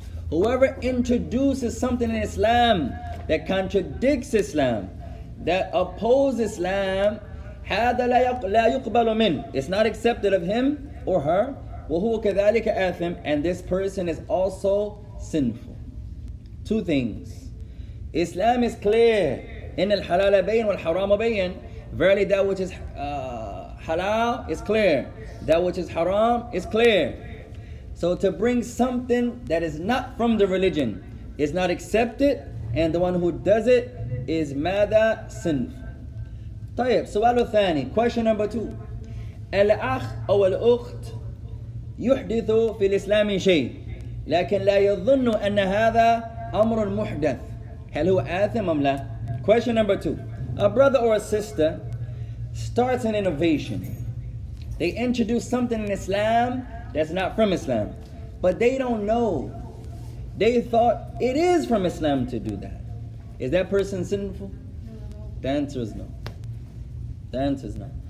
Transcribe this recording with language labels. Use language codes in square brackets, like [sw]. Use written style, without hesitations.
[en] Whoever introduces something in Islam that contradicts Islam, that opposes Islam, [ar] هذا لا يقبل من, [en] it's not accepted of him or her. [ar] وهو كذلك آثم, [en] and this person is also sinful. Two things. Islam is clear. [ar] إن الحلال بين والحرام بين. [en] Verily that which is halal is clear. That which is haram is clear. So to bring something that is not from the religion is not accepted, and the one who does it is [ar] ماذا [en] sinful. [ar] طيب, سؤال ثاني. [en] Question number two. [ar] الأخ أو الأخت يحدث في الإسلام شيء لكن لا يظن أن هذا أمر محدث. هل هو آثم أم لا؟ [en] Question number two. A brother or a sister starts an innovation. They introduce something in Islam that's not from Islam, but they don't know. They thought it is from Islam to do that. Is that person sinful? The answer is no. The answer is no.